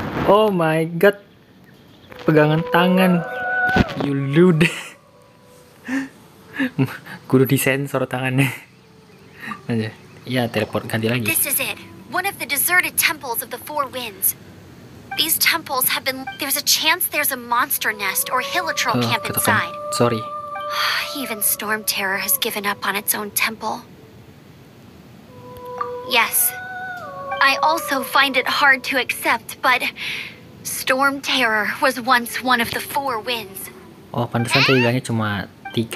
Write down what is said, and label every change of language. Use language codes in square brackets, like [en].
[en] Oh my god. [id] Pegangan tangan. [en] You lude. [id] Kudu disensor tangannya. Aja. Ya, teleport ganti lagi. [en] This is it. One of the deserted temples of the Four Winds. These temples have been... There's a chance there's a monster nest or hillitrol camp inside. Sorry. Even Storm Terror has given up on its own temple. Yes, I also find it hard to accept, but Storm Terror was once one of the Four Winds. [id] Oh, pantesan tinggalnya cuma tiga.